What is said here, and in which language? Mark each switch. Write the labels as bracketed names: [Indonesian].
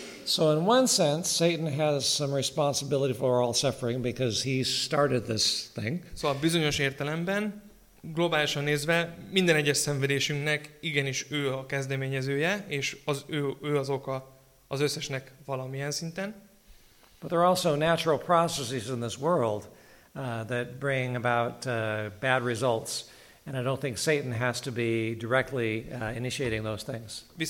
[English] So in one sense, Satan has some responsibility for all suffering because he started this thing. [Hungarian] Szóval bizonyos értelemben, globálisan nézve, minden egyes szenvedésünknek igenis ő a kezdeményezője, és az ő az oka az összesnek valamilyen szinten. [English] But there are also natural processes in this world that bring about bad results, and I don't think Satan has to be directly initiating those things.